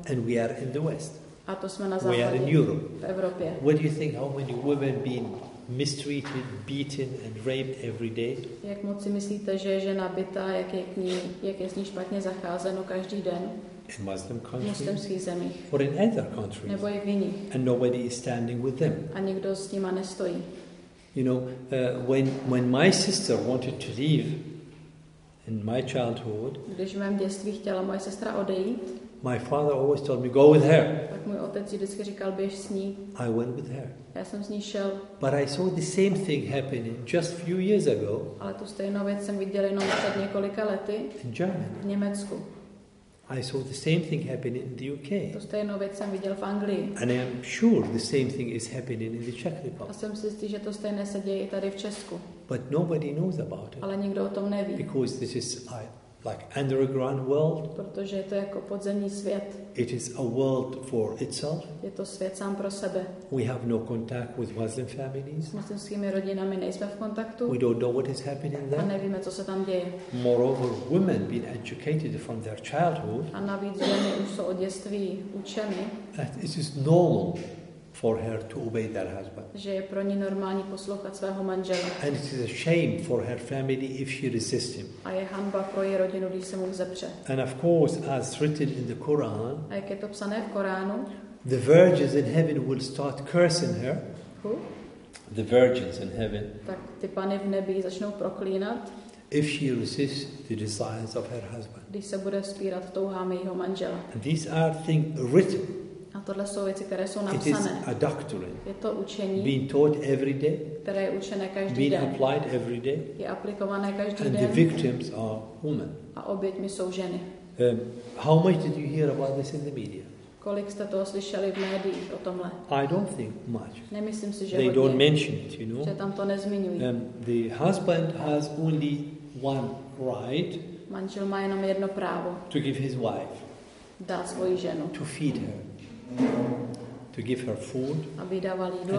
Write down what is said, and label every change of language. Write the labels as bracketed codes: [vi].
[en] And we are in the West. [cs] A to jsme na západě. [en] We are in Europe. [cs] V Evropě. [en] What do you think how many women being mistreated, beaten and raped every day? [cs] Jak moc si myslíte, že žena bita, jak je s ní špatně zacházeno každý den? [en] In Muslim countries. [cs] V muslimských zemích. [en] Or in other countries. [cs] Nebo i v jiných. [en] And nobody is standing with them. [cs] A nikdo s nima nestojí. [en] You know, when my sister wanted to leave in my childhood. [cs] Když v mém dětství chtěla moje sestra odejít. [en] My father always told me, go with her. [cs] Tak můj otec vždycky říkal, běž s ní. [en] I went with her. [cs] Já jsem s ní šel. [en] But I saw the same thing happening just a few years ago. [cs] Ale tu stejnou věc jsem viděl jenom před několika lety. [en] In Germany. [cs] V Německu. [en] I saw the same thing happening in the UK. [cs] Tu stejnou věc jsem viděl v Anglii. [en] And I am sure the same thing is happening in the Czech Republic. [cs] A jsem si jistý, že to stejné se děje i tady v Česku. [en] But nobody knows about it. [cs] Ale nikdo o tom neví. [en] Because this is like underground world. [cs] Protože je to jako podzemní svět. [en] It is a world for itself. [cs] Je to svět sám pro sebe. [en] We have no contact with Muslim families. [cs] S muslimskými rodinami nejsme v kontaktu. [en] We don't know what is happening there. [cs] A nevíme, co se tam děje. [en] Moreover, women being educated from their childhood. [cs] A navíc ženy už jsou od dětství učeny. [en] It is normal for her to obey their husband. [cs] Že je pro ní normální poslouchat svého manžela. [en] And it is a shame for her family if she resists him. [cs] A je hanba pro její rodinu, když se mu vzepře. [en] And of course, as written in the Quran. [cs] A jak je to psané v Koránu? [en] The virgins in heaven will start cursing her. Who? The virgins in heaven. [cs] Tak ty pany v nebi začnou proklínat. [en] If she resists the desires of her husband. [cs] Když se bude vzpírat touhám jejího manžela. [en] And these are things written. [cs] A tohle jsou věci, které jsou napsané. [en] It is a doctrine. [cs] Je to učení. [en] Being taught every day. [cs] Které je učené každý den. [en] Being applied every day. [cs] Je aplikované každý den. [en] And the victims are women. [cs] A oběťmi jsou ženy. [en] How much did you hear about this in the media? [cs] Kolik jste toho slyšeli v médiích o tomhle? [en] I don't think much. [cs] Nemyslím si, že hodně. [en] They don't mention it, you know. [cs] Že tam to nezmiňují. [en] The husband has only one right. [cs] Manžel má jenom jedno právo. [en] To give his wife. [cs] Dát svoji ženu. [en] To feed her. To give her food, [cs] aby dával jídlo,